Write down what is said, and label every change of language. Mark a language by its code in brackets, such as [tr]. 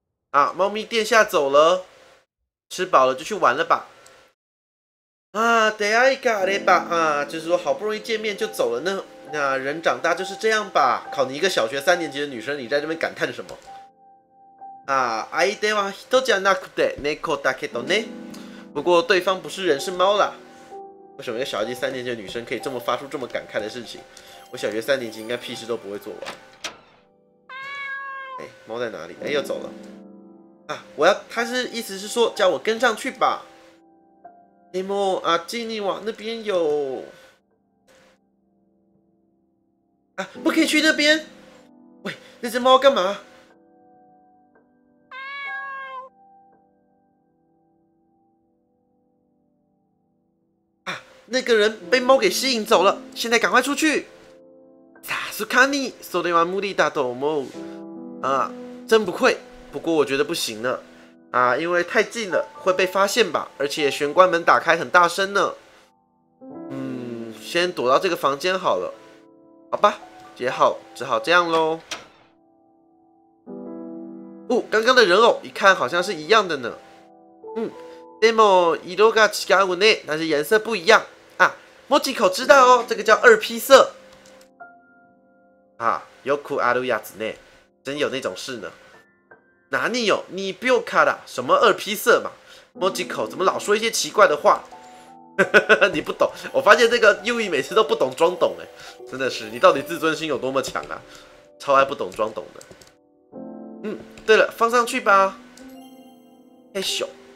[zh] 啊，猫咪殿下走了，吃饱了就去玩了吧。啊， [ja] 出会いがあれば， [zh] 啊，就是说好不容易见面就走了呢。那人长大就是这样吧。考你一个小学三年级的女生，你在这边感叹什么？ [ja] 啊，相手は人じゃなくて猫だけどね。 [zh] 不过对方不是人，是猫啦。为什么一个小学三年级的女生可以这么发出这么感慨的事情？我小学三年级应该屁事都不会做吧？哎，猫在哪里？哎，又走了。啊，我要，他是意思是说叫我跟上去吧。 [ja] でも、あっちには [zh] 那边有。啊，不可以去那边。喂，那只猫干嘛？那个人被猫给吸引走了，现在赶快出去。 [ja] さすがに、それは無理だと思う。 [zh] 啊，真不愧。不过我觉得不行呢。啊，因为太近了会被发现吧，而且玄关门打开很大声呢。先躲到这个房间好了。好吧，也好，只好这样咯。哦，刚刚的人偶一看好像是一样的呢。 [ja] でも色が違うね， [zh] 但是颜色不一样啊。モチコ知道哦，这个叫二批色啊。 [ja] よくあるやつね， [zh] 真有那种事呢。哪里有，你不要卡啦，什么二批色嘛。モチコ怎么老说一些奇怪的话？你不懂，我发现这个ユイ每次都不懂装懂，哎，真的是，你到底自尊心有多么强啊？超爱不懂装懂的。对了，放上去吧。太小。